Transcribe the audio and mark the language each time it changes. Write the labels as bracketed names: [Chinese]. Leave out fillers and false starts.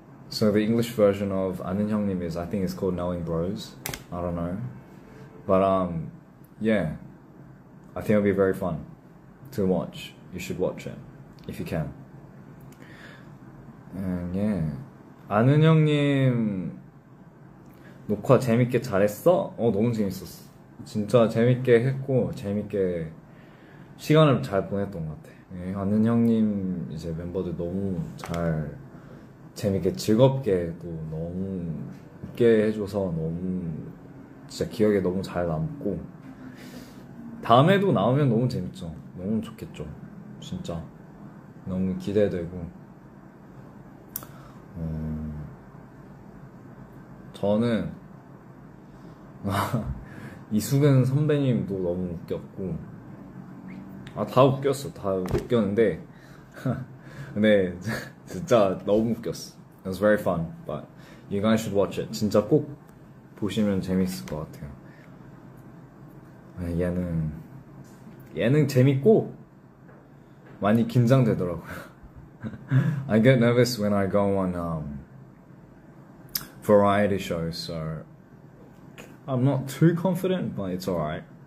[English] So the English version of 아는 형님 is, I think it's called knowing bros. I don't know. But, yeah, I think it'll be very fun to watch. You should watch it if you can. And yeah, [Korean] 아는 형님 녹화 재밌게 잘했어? 너무 재밌었어. 진짜 재밌게 했고 재밌게 시간을 잘 보냈던 것 같아. 예, 아는 형님 이제 멤버들 너무 잘 재밌게 즐겁게 또 너무 웃게 해줘서 너무 진짜 기억에 너무 잘 남고. 다음에도 나오면 너무 재밌죠. 너무 좋겠죠. 진짜 너무 기대되고. 저는 이수근 선배님도 너무 웃겼고. 아, 다 웃겼어. 다 웃겼는데 근데 진짜 너무 웃겼어. [English] It was very fun, but you guys should watch it. [Korean] 진짜 꼭 보시면 재밌을 것 같아요. 얘는 예능 재밌고 많이 긴장되더라고요. [English] I get nervous when I go on variety shows, so I'm not too confident, but it's alright.